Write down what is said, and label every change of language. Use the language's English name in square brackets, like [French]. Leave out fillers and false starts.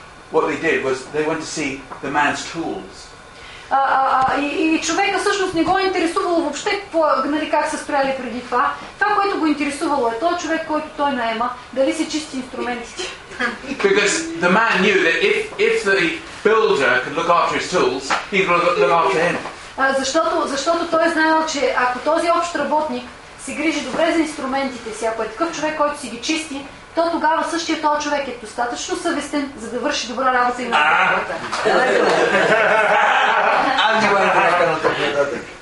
[English] What they did was they went to see the man's tools. [Bulgarian] И човека всъщност не го е интересувало въобще как са строяли преди това. Това, което го интересувало, е този човек, който той наема, дали се чисти инструментите. [English] Because the man knew that if the builder could look after his tools, he could look after him. [Bulgarian] Защото той знаел, че ако този общ работник се грижи добре за инструментите си, ако е такъв човек, който си ги чисти, то тогава същия този човек е достатъчно съвестен, за да върши добра работа и на работа.